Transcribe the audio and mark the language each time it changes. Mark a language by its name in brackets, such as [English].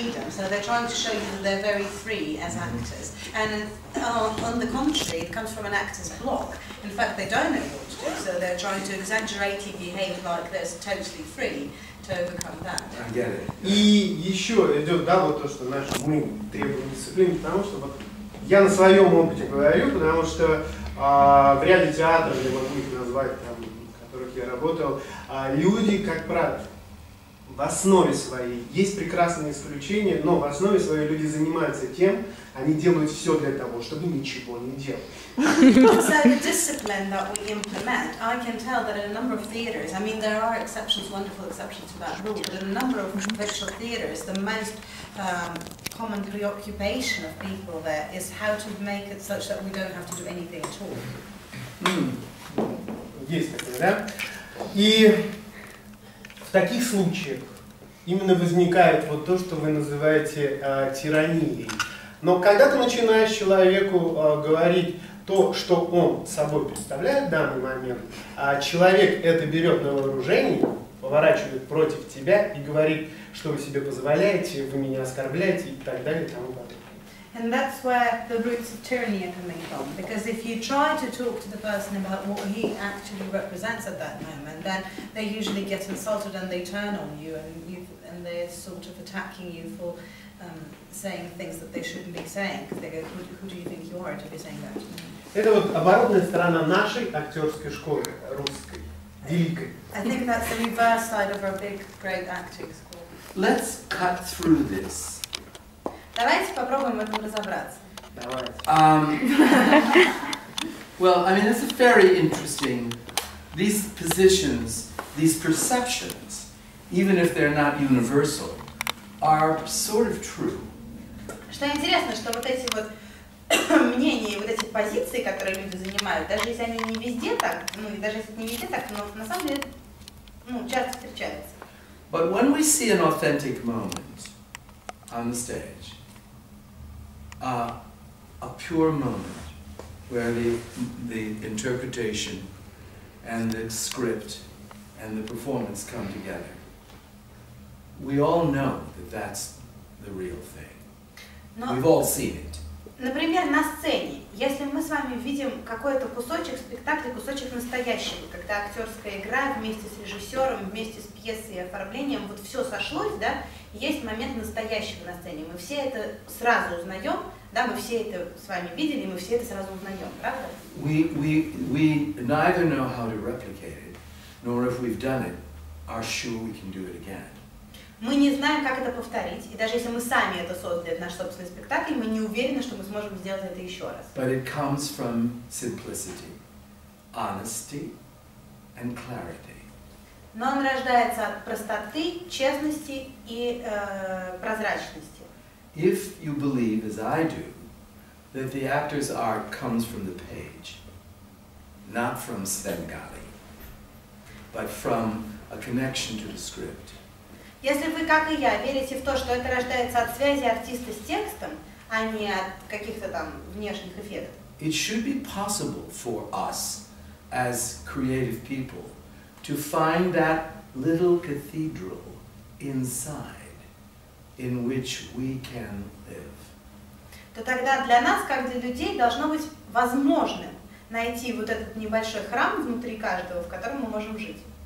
[English] So they're trying to show you that they're very free as actors, and on the contrary, it comes from an actor's block. In fact, they don't know what to do, so they're trying to exaggerate and behave like they're totally free to overcome that. [Russian] И еще идет, да, вот то, что наши мы требуем дисциплины, потому что вот я на своем опыте говорю, потому что в ряде театров, я могу их назвать, там, в которых я работал, люди, как правило, в основе своей, есть прекрасные исключения, но в основе своей люди занимаются тем, они делают все для того, чтобы ничего не делать. [English] So the discipline that we implement, I can tell that in a number of theaters, I mean, there are exceptions, wonderful exceptions to that rule, but in a number of virtual theaters, the most common preoccupation of people there is how to make it such that we don't have to do anything at all. [Russian] Есть такое, да? И в таких случаях именно возникает вот то, что вы называете тиранией. Но когда ты начинаешь человеку говорить то, что он собой представляет в данный момент, человек это берет на вооружение, поворачивает против тебя и говорит, что вы себе позволяете, вы меня оскорбляете и так далее и тому подобное. [English] And that's where the roots of tyranny are coming from. Because if you try to talk to the person about what he actually represents at that moment, then they usually get insulted and they turn on you, and they're sort of attacking you for saying things that they shouldn't be saying. Because they go, who do you think you are to be saying that to me? [Russian] Это вот оборотная сторона нашей актерской школы русской. великой. [English] I think that's the reverse side of our big, great acting school. Let's cut through this. [Russian] Давайте попробуем это разобраться. Давай. [English] Well, I mean, it's a very interesting. These positions, these perceptions, even if they're not universal, are sort of true. [Russian] Что интересно, что вот эти вот мнения, вот эти позиции, которые люди занимают, даже если они не везде так, ну и даже если это не везде так, но на самом деле, ну, часто встречается. [English] But when we see an authentic moment on the stage, a pure moment where the interpretation and the script and the performance come together, we all know that that's the real thing. [Russian] Но, [English] we've all seen it. [Russian] Например, на сцене, если мы с вами видим какой-то кусочек спектакля, кусочек настоящего, когда актерская игра вместе с режиссером, вместе с пьесой и оформлением, вот все сошлось, да, есть момент настоящего на сцене. Мы все это сразу узнаем, да, мы все это с вами видели, мы все это сразу узнаем, правда? [English] We neither know how to replicate it, nor if we've done it, are sure we can do it again. [Russian] Мы не знаем, как это повторить, и даже если мы сами это создали, это наш собственный спектакль, мы не уверены, что мы сможем сделать это еще раз. [English] But it comes from simplicity, honesty, and clarity. [Russian] Но он рождается от простоты, честности и прозрачности. [English] If you believe, as I do, that the actor's art comes from the page, not from Svengali, but from a connection to the script. [Russian] Если вы, как и я, верите в то, что это рождается от связи артиста с текстом, а не от каких-то там внешних эффектов. [English] It should be possible for us, as creative people, to find that little cathedral inside, in which we can live. [Russian] То тогда для нас, как для людей, должно быть возможным найти вот этот небольшой храм внутри каждого, в котором мы можем жить.